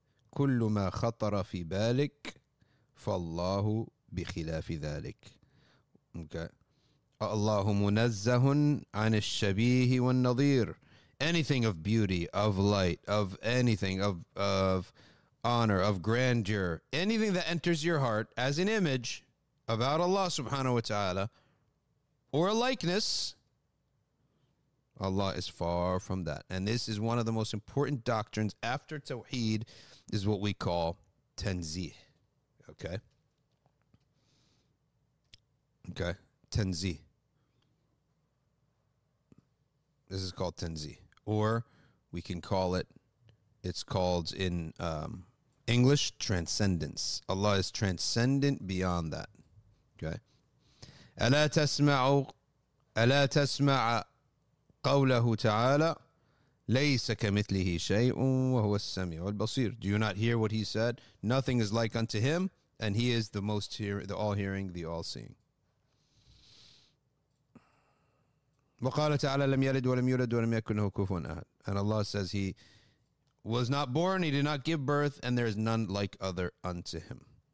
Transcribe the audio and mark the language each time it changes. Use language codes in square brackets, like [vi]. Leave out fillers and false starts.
[ar] كل ما خطر في بالك فالله بخلاف ذلك. [en] Okay. [ar] الله منزه عن الشبيه والنظير. [en] Anything of beauty, of light, of anything, of honor, of grandeur, anything that enters your heart as an image about Allah subhanahu wa ta'ala or a likeness, Allah is far from that. And this is one of the most important doctrines after Tawheed, is what we call Tanzih. Okay? Okay? Tanzih. This is called Tanzih. Or we can call it, it's called in English, transcendence. Allah is transcendent beyond that. Okay? [ar] Ala tasma'u قوله تعالى ليس كمثله شيء وهو السميع البصير. [en] Do you not hear what he said? Nothing is like unto him, and he is the most hearing, the all hearing, the all seeing. [ar] وقال تعالى لم يلد ولم يولد ولم يكن له كفوا أحد. [en] And Allah says he was not born, he did not give birth, and there is none like other unto him.